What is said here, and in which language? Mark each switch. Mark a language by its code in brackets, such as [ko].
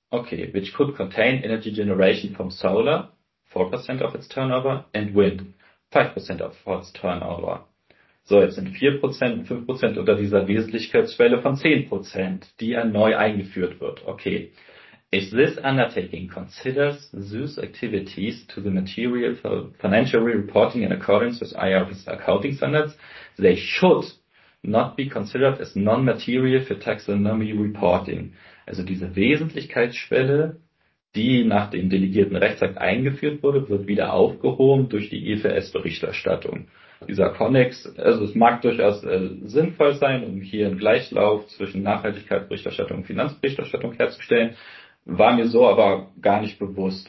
[en] Okay, which could contain energy generation from solar, 4% of its turnover, and wind, 5% of its turnover. [de] So jetzt sind 4%, 5% unter dieser Wesentlichkeitsschwelle von 10%, die ja neu eingeführt wird. Okay. [en] If this undertaking considers these activities to the material for financial reporting in accordance with IFRS accounting standards, they should not be considered as non-material for taxonomy reporting. [de] Also diese Wesentlichkeitsschwelle, die nach dem delegierten Rechtsakt eingeführt wurde, wird wieder aufgehoben durch die IFRS-Berichterstattung. Dieser Konnex, also es mag durchaus sinnvoll sein, um hier einen Gleichlauf zwischen Nachhaltigkeitsberichterstattung und Finanzberichterstattung herzustellen, war mir so aber gar nicht bewusst.